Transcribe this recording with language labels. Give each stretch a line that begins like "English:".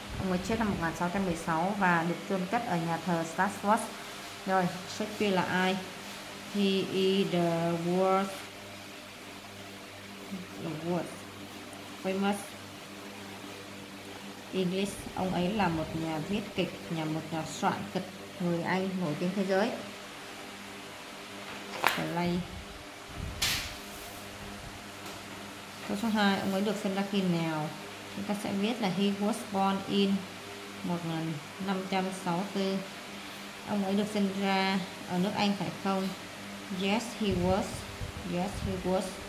Vietnamese: Ông ấy chết năm 1616 và được chôn cất ở nhà thờ Stratford. Rồi, Shakespeare là ai?
English: He is the world famous English.
Vietnamese: Ông ấy là một nhà viết kịch, nhà một nhà soạn kịch người Anh nổi tiếng thế giới.
English: Play.
Vietnamese: Câu số 2, ông ấy được sinh ra khi nào? Chúng ta sẽ viết là
English: he was born in 1564.
Vietnamese: Ông ấy được sinh ra ở nước Anh phải không?
English: Yes, he was. Yes, he was.